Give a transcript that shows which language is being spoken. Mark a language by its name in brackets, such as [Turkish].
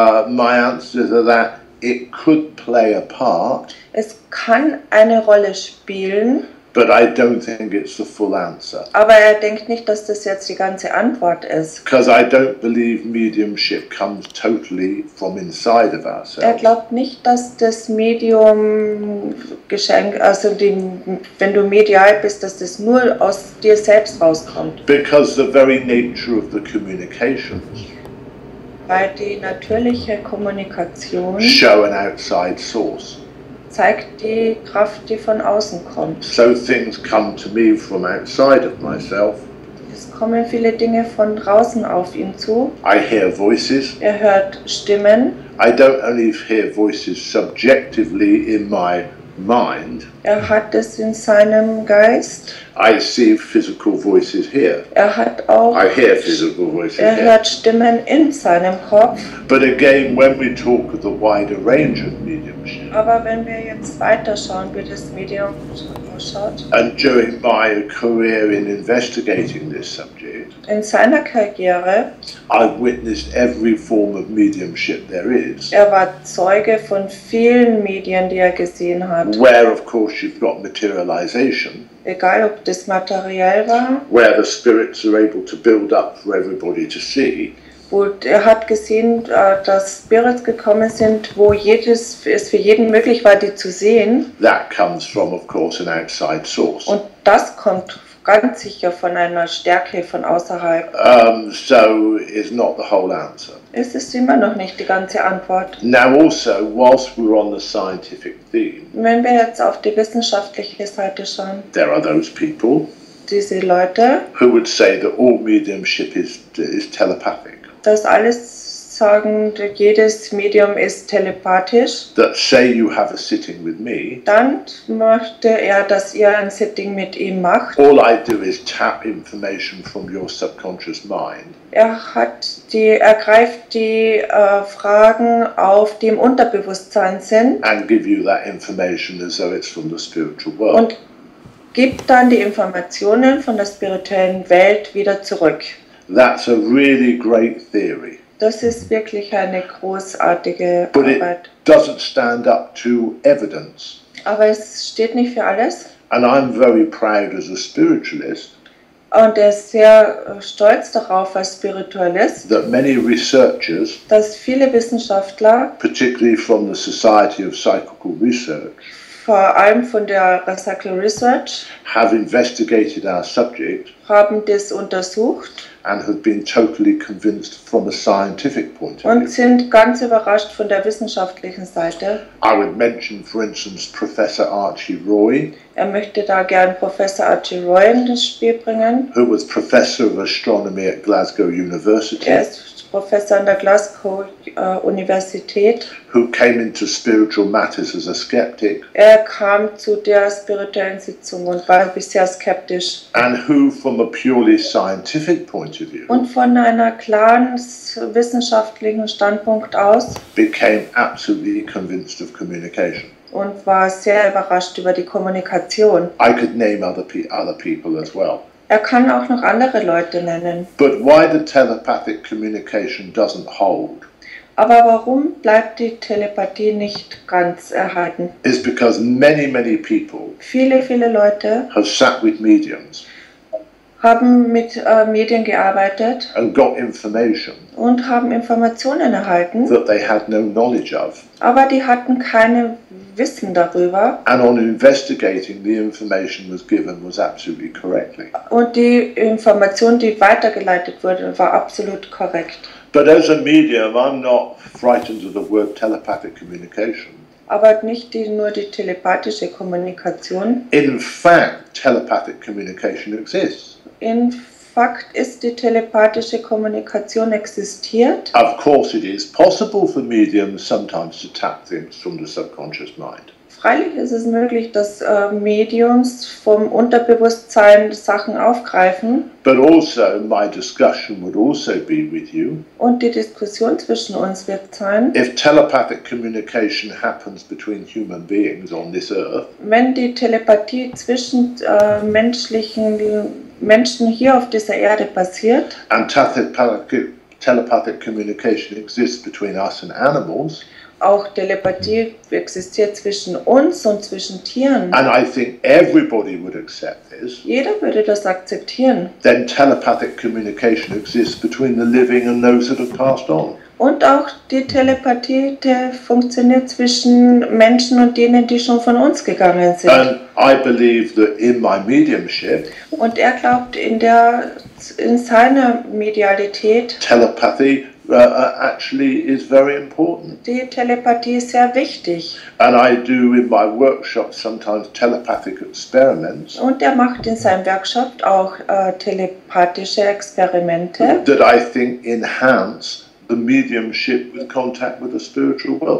[English] My answer to that, it could play a part. [German] Es kann eine Rolle spielen. [English] But I don't think it's the full answer. [German] Aber er denkt nicht, dass das jetzt die ganze Antwort ist. [English] Because I don't believe mediumship comes totally from inside of ourselves. [German] Er glaubt nicht, dass das Medium Geschenk, also die, wenn du medial bist, dass das nur aus dir selbst rauskommt. [English] Because the very nature of the communications. [German] Weil die natürliche Kommunikation. [English] Show an outside source. [German] Zeigt die Kraft, die von außen kommt. [English] So things come to me from outside of myself. [German] Es kommen viele Dinge von draußen auf ihn zu. [English] I hear voices. [German] Er hört Stimmen. [English] I don't only hear voices subjectively in my mind. [German] Er hat es in seinem Geist. [English] I see physical voices here. [German] Er hat auch. [English] I hear physical voices. [German] Er hört Stimmen in seinem Kopf. [English] But again, when we talk of the wider range of mediumship. [German] Aber wenn wir jetzt weiter schauen, wie das Medium ausschaut. [English] And during my career in investigating this subject. [German] In seiner Karriere. [English] I witnessed every form of mediumship there is. [German] Er war Zeuge von vielen Medien, die er gesehen hat. [English] Where, of course, you've got materialization. [German] Egal, ob das materiell war, [English] where the spirits are able to build up for everybody to see. [German] Wo er hat gesehen, dass Spirits gekommen sind, wo jedes, es für jeden möglich war, die zu sehen. [English] That comes from, of course, an outside source. [German] Und das kommt ganz sicher von einer Stärke von außerhalb. [English] So is not the whole answer. [German] Es ist immer noch nicht die ganze Antwort. [English] Now also, whilst we're on the scientific theme, [German] wenn wir jetzt auf die wissenschaftliche Seite schauen, [English] there are those people, [German] diese Leute, [English] who would say that all mediumship is telepathic. [German] Dass alles sagen, jedes Medium ist telepathisch. [English] That say you have a sitting with me. [German] Dann möchte er, dass ihr ein Sitting mit ihm macht. [English] All I do is tap information from your subconscious mind. [German] Er greift die Fragen auf, die im Unterbewusstsein sind. [English] And give you that information as though it's from the spiritual world. [German] Und gibt dann die Informationen von der spirituellen Welt wieder zurück. [English] That's a really great theory. [German] Das ist wirklich eine großartige [English] But [German] Arbeit. [English] It doesn't stand up to evidence. [German] Aber es steht nicht für alles. [English] And I'm very proud as a spiritualist. [German] Und er ist sehr stolz darauf als Spiritualist, [English] that many researchers, [German] dass viele Wissenschaftler, [English] particularly from the Society of Psychical Research, [German] vor allem von der Recycle Research, [English] have investigated our subject, [German] haben das untersucht, [English] and have been totally convinced from a scientific point of view. [German] Und sind ganz überrascht von der wissenschaftlichen Seite. [English] I would mention, for instance, Professor Archie Roy. [German] Er möchte da gern Professor Archie Roy ins Spiel bringen. [English] Who was Professor of Astronomy at Glasgow University. [German] Er ist Professor an der Glasgow Universität. [English] Who came into spiritual matters as a skeptic. [German] Er kam zu der spirituellen Sitzung und war bisher skeptisch. [English] And who, from a purely scientific point of view, [German] und von einer klaren wissenschaftlichen Standpunkt aus, [English] became absolutely convinced of communication. [German] Und war sehr überrascht über die Kommunikation. [English] I could name other people as well. [German] Er kann auch noch andere Leute nennen. [English] But why the telepathic communication doesn't hold? [German] Aber warum bleibt die Telepathie nicht ganz erhalten? [English] It's because many, many people, [German] viele, viele Leute, [English] have sat with mediums, [German] haben mit Medien gearbeitet, [English] and got information, [German] und haben Informationen erhalten, [English] that they had no knowledge of, [German] aber die hatten keine Wissen darüber. [English] And on investigating, the information was given was absolutely correctly. [German] Und die Information, die weitergeleitet wurde, war absolut korrekt. [English] But as a medium, I'm not frightened of the word telepathic communication. [German] Aber nicht nur die telepathische Kommunikation. [English] In fact, telepathic communication exists. In fact, [German] ist die telepathische Kommunikation existiert. [English] Of course, it is possible for mediums sometimes to tap things from the subconscious mind. [German] Freilich ist es möglich, dass Mediums vom Unterbewusstsein Sachen aufgreifen. [English] But also my discussion would also be with you. [German] Und die Diskussion zwischen uns wird sein. [English] If telepathic communication happens between human beings on this earth. [German] Wenn die Telepathie zwischen menschlichen Menschen hier auf dieser Erde passiert. [English] And telepathic communication exists between us and animals. [German] Auch Telepathie existiert zwischen uns und zwischen Tieren. [English] And I think everybody would accept this. [German] Jeder würde das akzeptieren. [English] Then telepathic communication exists between the living and those that have passed on. [German] Und auch die Telepathie, die funktioniert zwischen Menschen und denen, die schon von uns gegangen sind. [English] And I believe that in my mediumship. [German] Und er glaubt in seiner Medialität. [English] Telepathie. Actually is very important. [German] Die Telepathie ist sehr wichtig. [English] And I do in my workshop sometimes telepathic experiments. [German] Und er macht in seinem Workshop auch telepathische Experimente. [English] That I think enhance the mediumship with contact with the spiritual world.